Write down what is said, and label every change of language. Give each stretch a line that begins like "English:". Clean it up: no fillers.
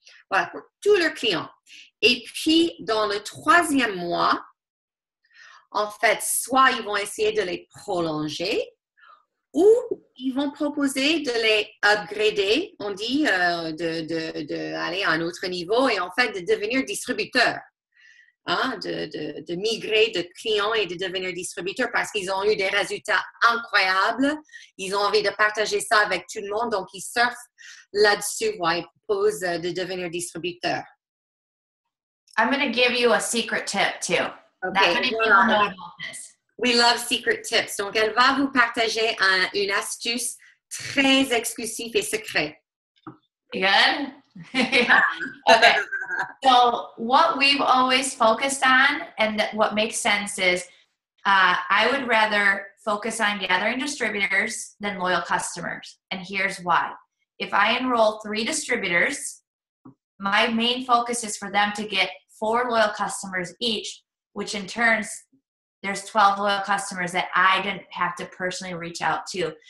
French: Voilà, pour tous leurs clients. Et puis, dans le 3e mois, en fait, soit ils vont essayer de les prolonger, ou ils vont proposer de les upgrader, on dit, d'aller à un autre niveau et en fait de devenir distributeur, hein, de migrer de client et de devenir distributeur parce qu'ils ont eu des résultats incroyables. Ils ont envie de partager ça avec tout le monde, donc ils surfent là-dessus, ouais, ils proposent de devenir distributeur.
English: I'm going to give you a secret tip too. Okay. Not many people know about this. We love secret tips.
French: Donc, elle va vous partager une astuce très exclusive et secret.
English: Good? Okay. So, what we've always focused on and what makes sense is I would rather focus on gathering distributors than loyal customers. And here's why. If I enroll 3 distributors, my main focus is for them to get 4 loyal customers each, which in turn, there's 12 loyal customers that I didn't have to personally reach out to.